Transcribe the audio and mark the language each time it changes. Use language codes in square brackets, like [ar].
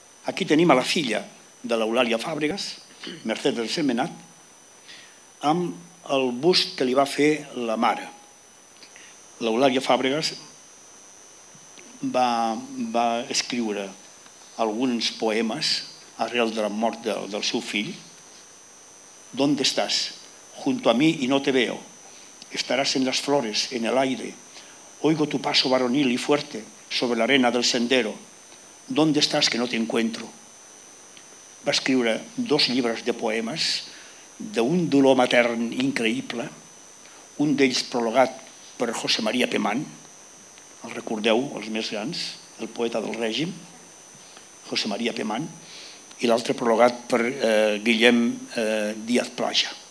[ca] Aquí tenim a la filla de l'Eulàlia Fàbregas, Mercedes de Sant Menat, amb el bust que li va fer la mare. L'Eulàlia Fàbregas va escriure alguns poemes arrel de la mort del seu fill. [es] ¿Dónde estás? Junto a mí y no te veo. Estarás en las flores, en el aire. Oigo tu paso varonil y fuerte sobre la arena del sendero. ¿Dónde estás que no te encuentro? [ca] Va escriure dos llibres de poemes d'un dolor matern increïble, un d'ells prologat per José María Pemán, el recordeu, els més grans, el poeta del règim, José María Pemán, i l'altre prologat per Guillem Díaz Plaja.